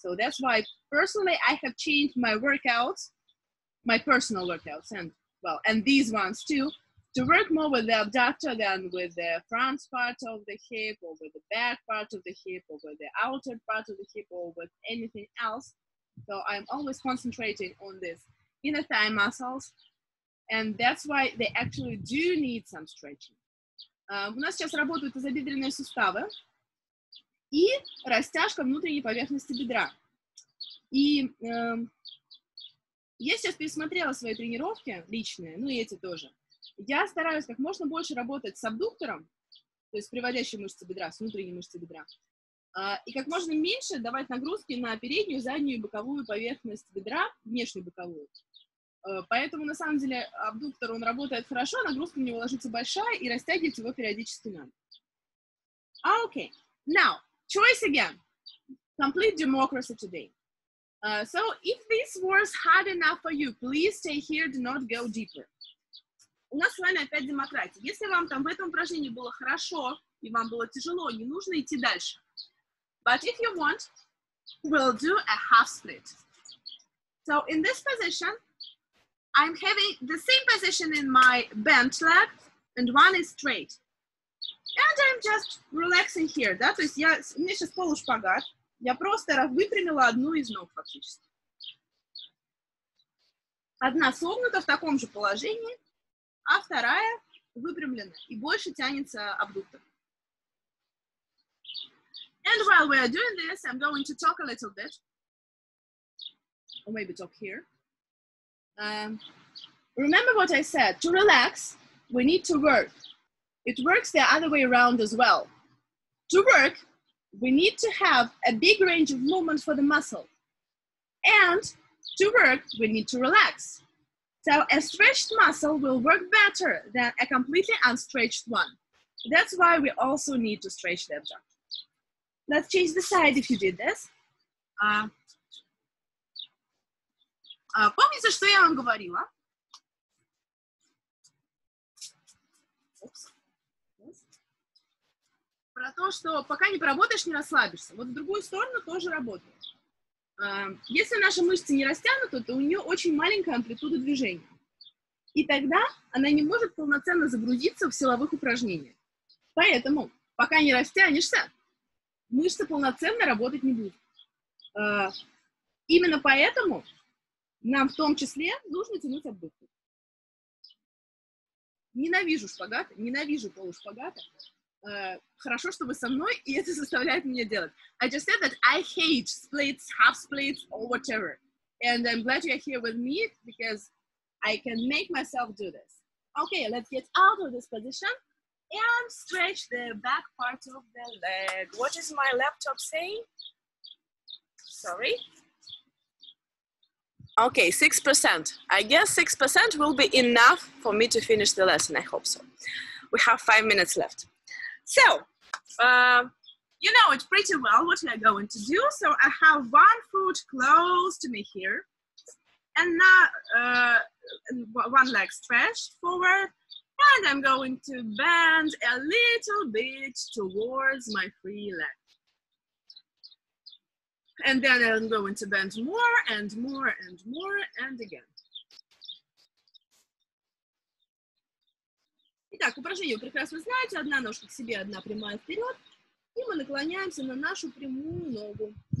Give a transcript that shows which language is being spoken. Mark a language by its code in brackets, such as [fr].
[en] So that's why, personally, I have changed my workouts, my personal workouts, and, well, and these ones too, to work more with the abductor than with the front part of the hip, or with the back part of the hip, or with the outer part of the hip, or with anything else, So I'm always concentrating on this inner thigh muscles, and that's why they actually do need some stretching. [ru] У нас сейчас работают тазобедренные суставы и растяжка внутренней поверхности бедра. И я сейчас пересмотрела свои тренировки личные, ну и эти тоже. Я стараюсь как можно больше работать с абдуктором, то есть приводящей мышцей бедра, с внутренней мышцей бедра, и как можно меньше давать нагрузки на переднюю, заднюю и боковую поверхность бедра, внешнюю боковую. Поэтому, на самом деле, абдуктор, он работает хорошо, нагрузка на него ложится большая и растягивает его периодически надо. [en] Okay, now, choice again. Complete democracy today. So, if this was hard enough for you, please stay here, do not go deeper. [ru] У нас с вами опять демократия. Если вам там в этом упражнении было хорошо, и вам было тяжело, не нужно идти дальше. [en] But if you want, we'll do a half split. So, in this position, I'm having the same position in my bent leg, and one is straight. And I'm just relaxing here, да? [ru] То есть, у меня сейчас полушпагат. Я просто выпрямила одну из ног, фактически. Одна согнута в таком же положении, а вторая выпрямлена и больше тянется абдуктор. [en] And while we are doing this, I'm going to talk a little bit. Or maybe talk here. Remember what I said. To relax, we need to work. It works the other way around as well. To work, we need to have a big range of movement for the muscle. And to work, we need to relax. So a stretched muscle will work better than a completely unstretched one. That's why we also need to stretch the abdomen. Let's change the side if you did this. [ru] Помните, что я вам говорила? Про то, что пока не поработаешь, не расслабишься. Вот в другую сторону тоже работает. Если наши мышцы не растянуты, то у нее очень маленькая амплитуда движения. И тогда она не может полноценно загрузиться в силовых упражнениях. Поэтому, пока не растянешься, мышцы полноценно работать не будут. Именно поэтому нам в том числе нужно тянуть абдуктор. Ненавижу шпагаты, ненавижу полушпагаты. Хорошо, что вы со мной, и это заставляет меня делать. [en] I just said that I hate splits, half splits, or whatever. And I'm glad you're here with me, because I can make myself do this. Okay, let's get out of this position. And stretch the back part of the leg. What is my laptop saying? Sorry. Okay, 6%. I guess 6% will be enough for me to finish the lesson. I hope so. We have 5 minutes left. So, you know it pretty well what we are going to do. So I have one foot close to me here. And now one leg stretched forward. And I'm going to bend a little bit towards my free leg. And then I'm going to bend more and more and more and again. [ru] Итак, упражнение вы прекрасно знаете. Одна ножка к себе, одна прямая вперед. И мы наклоняемся на нашу прямую ногу.